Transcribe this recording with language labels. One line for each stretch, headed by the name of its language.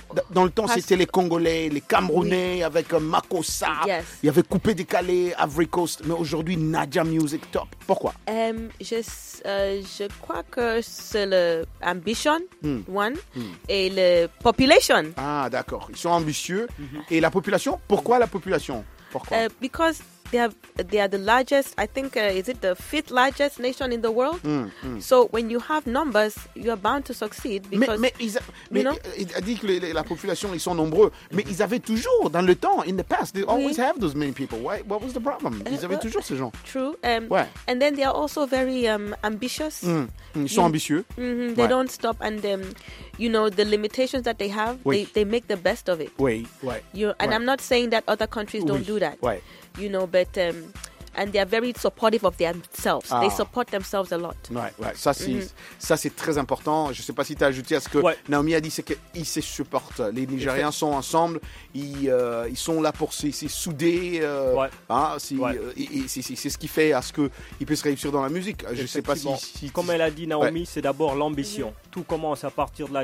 French: Dans le temps, c'était les Congolais, les Camerounais avec Makossa.
English: Yes.
French: Il y avait Coupé Décalé, Ivory Coast. Mais aujourd'hui, Nadja Music Top. Pourquoi? Je crois que c'est l'ambition, et la population. Ah, d'accord. Ils sont ambitieux. Mm-hmm. Et la population? Pourquoi la population? Pourquoi?
English: Because they are the largest, I think, is it the fifth largest nation in the world? So when you have numbers, you are bound to succeed. Because,
French: il a dit que la population, ils sont nombreux. Mais ils avaient toujours, dans le temps,
English: in the past, they always have those many people. Why? What was the problem?
French: Ils avaient toujours ces gens.
English: True.
French: Ouais.
English: And then they are also very ambitious.
French: Ils sont ambitieux.
English: They don't stop. And you know, the limitations that they have, they make the best of it.
French: Oui, oui.
English: I'm not saying that other countries don't do that.
French: Oui.
English: You know, but and they are very supportive of themselves. Ah. They support themselves a lot. Right, right.
French: Ça c'est très important. Je sais pas si tu as ajouté à ce que Naomi a dit, c'est qu'ils se supportent. Les Nigériens sont ensemble. Ils sont là pour s'y souder. C'est ce qui fait à ce que ils puissent réussir dans la musique. Je sais pas si comme elle a dit Naomi, c'est d'abord l'ambition. Tout commence à partir de là.